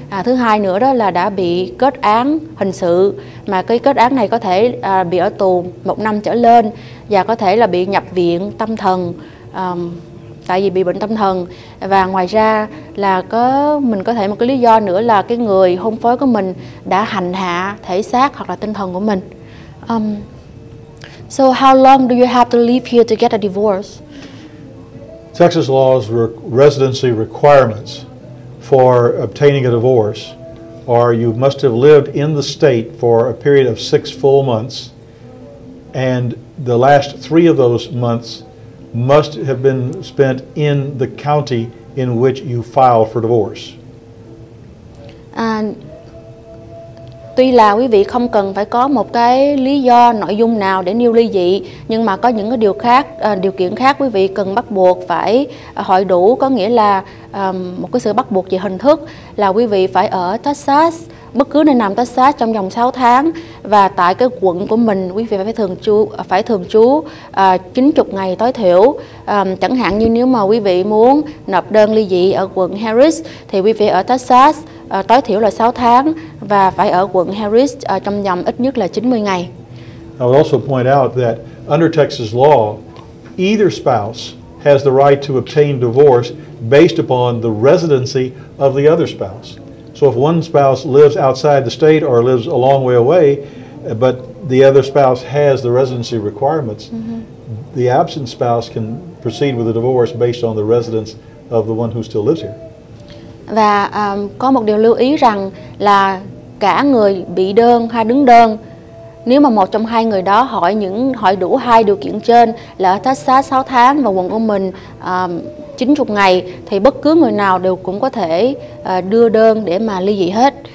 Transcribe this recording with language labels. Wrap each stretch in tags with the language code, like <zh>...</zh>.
<vi>Thứ hai nữa đó là đã bị kết án hình sự, mà cái kết án này có thể bị ở tù 1 năm trở lên và có thể là bị nhập viện tâm thần tại vì bị bệnh tâm thần. Và ngoài ra là có mình có thể một cái lý do nữa là cái người hôn phối của mình đã hành hạ thể xác hoặc là tinh thần của mình.</vi> <en>So how long do you have to live here to get a divorce? Texas law's residency requirements for obtaining a divorce are you must have lived in the state for a period of 6 full months, and the last 3 of those months must have been spent in the county in which you filed for divorce.</en> <vi>Tuy là quý vị không cần phải có một cái lý do nội dung nào để nêu ly dị, nhưng mà có những cái điều khác, điều kiện khác quý vị cần bắt buộc phải hội đủ, có nghĩa là một cái sự bắt buộc về hình thức là quý vị phải ở Texas, bất cứ nơi nào Texas trong vòng 6 tháng và tại cái quận của mình quý vị phải thường trú 90 ngày tối thiểu. Chẳng hạn như nếu mà quý vị muốn nộp đơn ly dị ở quận Harris thì quý vị ở Texas tối thiểu là 6 tháng và phải ở quận Harris trong vòng ít nhất là 90 ngày.</vi> <en>I would also point out that under Texas law, either spouse has the right to obtain divorce based upon the residency of the other spouse. So if one spouse lives outside the state or lives a long way away, but the other spouse has the residency requirements, the absent spouse can proceed with a divorce based on the residence of the one who still lives here.</en> <vi>Và có một điều lưu ý rằng là cả người bị đơn hay đứng đơn, nếu mà một trong hai người đó hỏi đủ hai điều kiện trên là ở Texas 6 tháng và quận của mình 90 ngày thì bất cứ người nào đều cũng có thể đưa đơn để mà ly dị hết.</vi>